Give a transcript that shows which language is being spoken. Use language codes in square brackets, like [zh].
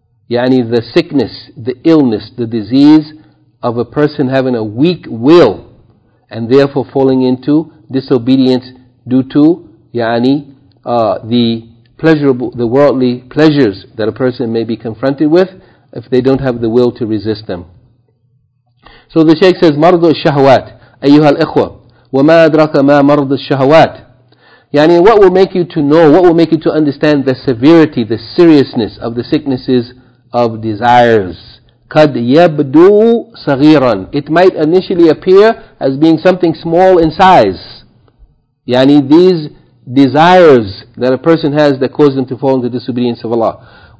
[en] Yani the sickness, the illness, the disease of a person having a weak will and therefore falling into disobedience due to the worldly pleasures that a person may be confronted with if they don't have the will to resist them. So the Shaykh says, [ar] مَرْضُ الشَّهَوَاتِ أَيُّهَا الْإِخْوَةِ وَمَا أَدْرَكَ مَا مَرْضُ الشَّهَوَاتِ. [en] Yani what will make you to know, what will make you to understand the severity, the seriousness of the sicknesses of desires. [ar] Kad yabdu saghiran. [en] It might initially appear as being something small in size. Yani these desires that a person has that cause them to fall into disobedience of Allah.